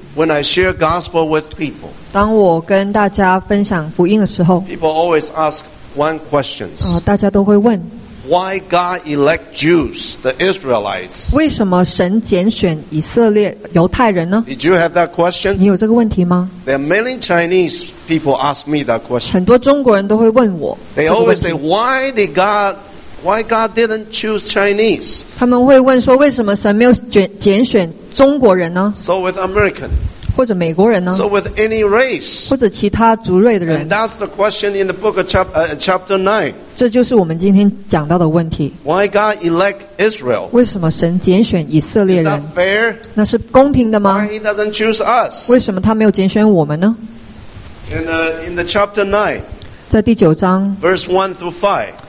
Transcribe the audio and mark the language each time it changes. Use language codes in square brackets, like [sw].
[en] When I share gospel with people. [zh] 当我跟大家分享福音的时候。 [en] People always ask one question. [zh] 大家都会问。 [en] Why God elect Jews, the Israelites? [zh] 为什么神拣选以色列犹太人呢？ [en] Did you have that question? [zh] 你有这个问题吗？ [en] There are many Chinese people ask me that question. [zh] 很多中国人都会问我。 [en] They always say, Why God didn't choose Chinese? [zh] 他们会问说，为什么神没有拣选中国人呢？ [en] So with American. [zh] 或者美国人呢？ [en] So with any race. [zh] 或者其他族类的人。 [en] And that's the question in the book of chapter 9. [zh] 这就是我们今天讲到的问题。 [en] Why God elect Israel? [zh] 为什么神拣选以色列人？ [en] Is that fair? [zh] 那是公平的吗？ [en] Why he doesn't choose us? [zh] 为什么他没有拣选我们呢？ [en] In the chapter 9, [zh] 在第九章 [en] verse 1 through 5,